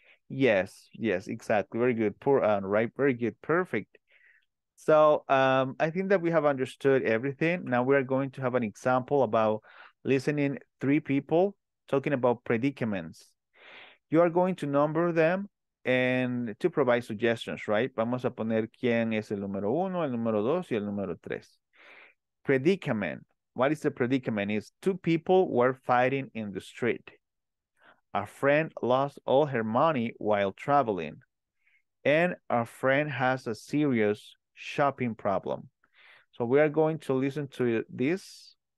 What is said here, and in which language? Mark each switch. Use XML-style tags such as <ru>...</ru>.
<en>Yes, exactly. Very good. Poor Anne, right? Very good. Perfect. So I think that we have understood everything. Now we are going to have an example about listening three people talking about predicaments. You are going to number them and to provide suggestions, right?</en> <es>Vamos a poner quién es el número uno, el número dos y el número tres.</es> <en>Predicament. What is the predicament? It's two people were fighting in the street. A friend lost all her money while traveling. And a friend has a serious shopping problem. So we are going to listen to this.</en>